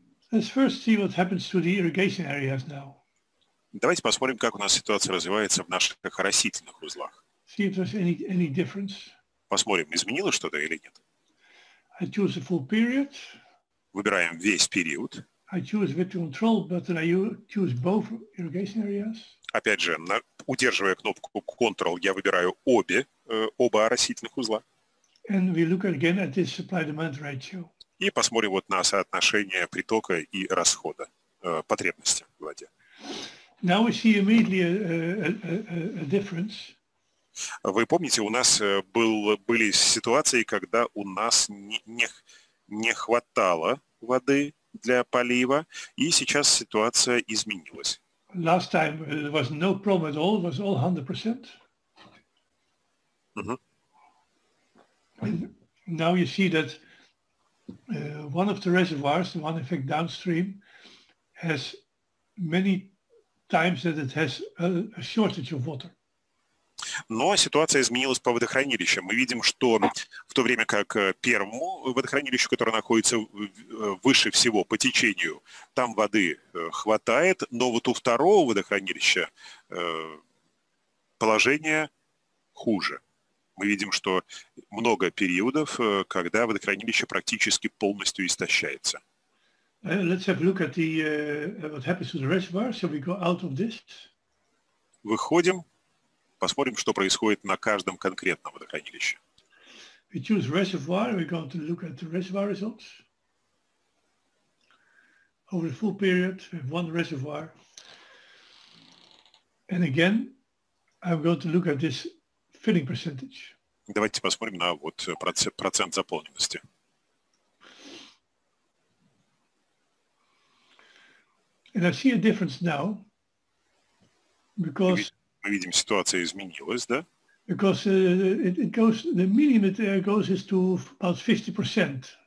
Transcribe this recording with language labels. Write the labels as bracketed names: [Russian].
[English] Let's first see what happens to the irrigation areas now. [Russian] Давайте посмотрим, как у нас ситуация развивается в наших растительных узлах. [English] See if there's any difference. [Russian] Посмотрим, изменилось что-то или нет. [English] I choose a full period. [Russian] Выбираем весь период. [English] I choose with control button, I choose both irrigation areas. [Russian] Опять же, удерживая кнопку Ctrl, я выбираю оба растительных узла. [English] And we look again at this supply-demand ratio. [Russian] И посмотрим вот на соотношение притока и расхода, потребности в воде. [English] Now we see immediately a difference. [Russian] Вы помните, у нас были ситуации, когда у нас не хватало воды для полива, и сейчас ситуация изменилась. [English] Last time there was no problem at all, it was all 100%. Uh-huh. Now you see that one of the reservoirs, the one in fact downstream, has many times that it has a shortage of water. [Russian] Но ситуация изменилась по водохранилищам. Мы видим, что в то время как первому водохранилищу, которое находится выше всего по течению, там воды хватает, но вот у второго водохранилища положение хуже. Мы видим, что много периодов, когда водохранилище практически полностью истощается. [English] Let's have a look at what happens to the reservoir. So we go out of this. [Russian] Выходим. Посмотрим, что происходит на каждом конкретном водохранилище. [English] We choose reservoir. We're going to look at the reservoir results. Over the full period, we have one reservoir. And again, I'm going to look at this filling percentage. [Russian] Давайте посмотрим на вот процент заполненности. [English] And I see a difference now, because... [Russian] Мы видим, ситуация изменилась, да? [English] Because it goes, the minimum it goes is to about 50%.